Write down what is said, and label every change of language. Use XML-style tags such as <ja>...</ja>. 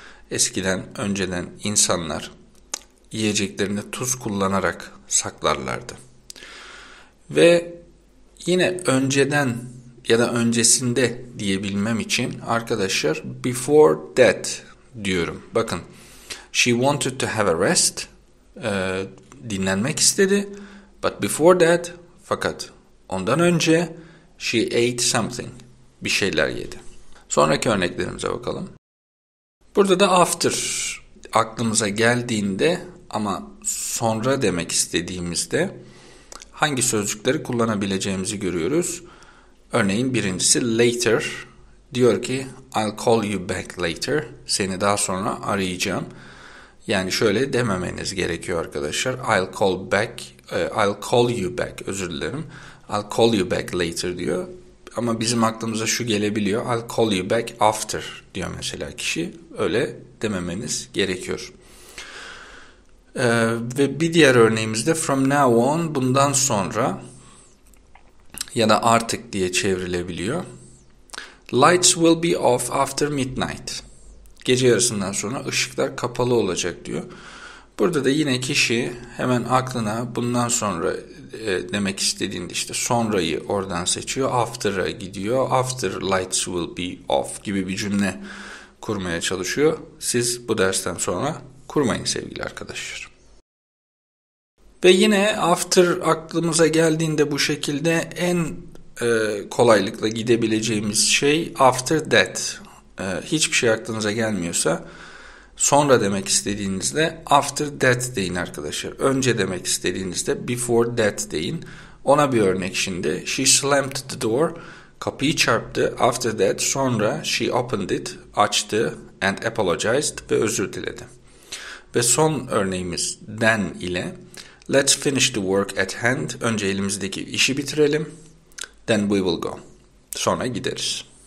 <tr>Eskiden önceden insanlar yiyeceklerini tuz kullanarak saklarlardı. Ve yine önceden ya da öncesinde diyebilmem için arkadaşlar</tr> <en>before that</en> <tr>diyorum. Bakın,</tr> <en>she wanted to have a rest.</en> <tr>Dinlenmek istedi.</tr> <en>But before that,</en> <tr>fakat ondan önce</tr> <en>she ate something.</en> <tr>Bir şeyler yedi. Sonraki örneklerimize bakalım. Burada da after aklımıza geldiğinde ama sonra demek istediğimizde hangi sözcükleri kullanabileceğimizi görüyoruz. Örneğin birincisi later. Diyor ki</tr> <en>I'll call you back later.</en> <tr>Seni daha sonra arayacağım. Yani şöyle dememeniz gerekiyor arkadaşlar.</tr> <en>I'll call you back.</en> <tr>Özür dilerim.</tr> <en>I'll call you back later</en> <tr>diyor. Ama bizim aklımıza şu gelebiliyor.</tr> <en>I'll call you back after</en> <tr>diyor mesela kişi. Öyle dememeniz gerekiyor. Ve bir diğer örneğimizde</tr> <en>from now on</en> <tr>bundan sonra ya da artık diye çevrilebiliyor.</tr> <en>Lights will be off after midnight.</en> <tr>Gece yarısından sonra ışıklar kapalı olacak diyor. Burada da yine kişi hemen aklına bundan sonra demek istediğinde işte sonrayı oradan seçiyor. After'a gidiyor.</tr> <en>After lights will be off</en> <tr>gibi bir cümle kurmaya çalışıyor. Siz bu dersten sonra kurmayın sevgili arkadaşlar. Ve yine after aklımıza geldiğinde bu şekilde en kolaylıkla gidebileceğimiz şey</tr> <en>after that.</en> <tr>Hiçbir şey aklınıza gelmiyorsa sonra demek istediğinizde</tr> <en>after that</en> <tr>deyin arkadaşlar. Önce demek istediğinizde</tr> <en>before that</en> <tr>deyin. Ona bir örnek şimdi.</tr> <en>She slammed the door.</en> <tr>Kapıyı çarptı.</tr> <en>After that</en> <tr>sonra</tr> <en>she opened it.</en> <tr>Açtı</tr> <en>and apologized</en> <tr>ve özür diledi. Ve son örneğimiz</tr> <en>then</en> <tr>ile</tr> <en>Let's finish the work at hand.</en> <tr>Önce elimizdeki işi bitirelim.</tr> <en>Then we will go.</en> <tr>Sonra gideriz.</tr>